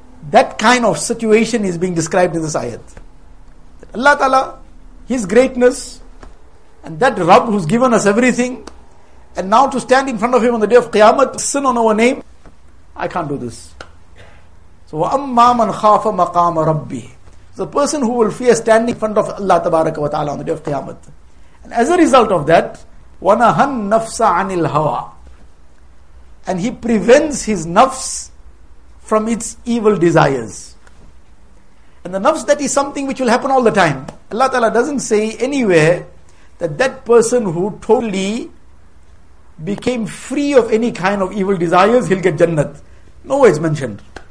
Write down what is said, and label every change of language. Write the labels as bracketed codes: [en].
[en] That kind of situation is being described in this ayat. Allah Ta'ala, his greatness, and that Rabb who's given us everything, and now to stand in front of him on the day of Qiyamah, sin on our name, I can't do this. [ar] So, وَأَمَّا مَنْ خَافَ مَقَامَ رَبِّهِ. [en] The person who will fear standing in front of Allah Tabaraka wa Ta'ala on the day of Qiyamah. And as a result of that, [ar] وَنَهَا النَّفْسَ عَنِ الْهَوَىٰ. [en] And he prevents his nafs from its evil desires. And the nafs, that is something which will happen all the time. Allah Ta'ala doesn't say anywhere that that person who totally became free of any kind of evil desires, he'll get Jannat. Nowhere is mentioned.